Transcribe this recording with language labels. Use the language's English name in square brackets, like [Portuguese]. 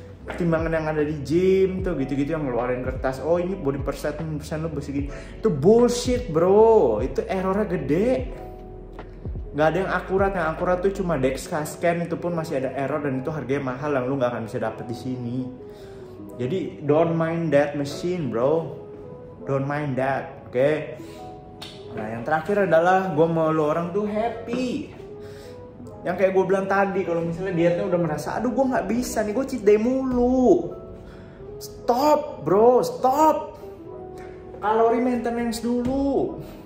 [Indonesian] Timbangan yang ada di gym tuh gitu-gitu yang ngeluarin kertas, oh ini [English] body percent [Indonesian] lu besi gitu, itu bullshit bro, itu errornya gede. Gak ada yang akurat, yang akurat tuh cuma Dexa scan, itu pun masih ada error dan itu harganya mahal yang lu gak akan bisa dapet di sini. Jadi [English] don't mind that machine bro, don't mind that, oke? Okay? [Indonesian] Nah yang terakhir adalah gue mau lu orang tuh happy. Yang kayak gue bilang tadi, kalau misalnya dietnya udah merasa, aduh gue gak bisa nih, gue cheat day mulu. Stop bro, stop. Kalori maintenance dulu.